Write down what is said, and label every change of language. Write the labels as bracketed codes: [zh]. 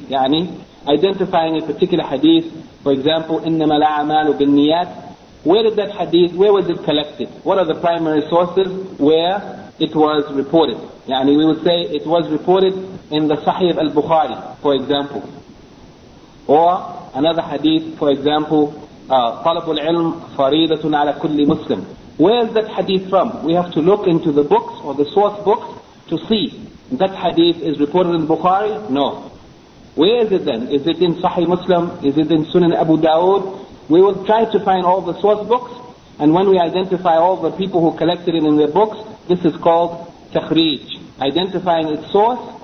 [en] يعني identifying a particular hadith, for example, [ar] إِنَّمَا الْأَعْمَالُ بِالنِّيَاتِ. [en] Where did that hadith, where was it collected? What are the primary sources where it was reported? يعني we would say it was reported in the Sahih al-Bukhari, for example. Or another hadith, for example, [ar] طلب العلم فريضة على كل مسلم. [en] Where is that hadith from? We have to look into the books or the source books to see that hadith is reported in Bukhari? No. Where is it then? Is it in Sahih Muslim? Is it in Sunan Abu Dawud? We will try to find all the source books, and when we identify all the people who collected it in their books, this is called takhrij, identifying its source.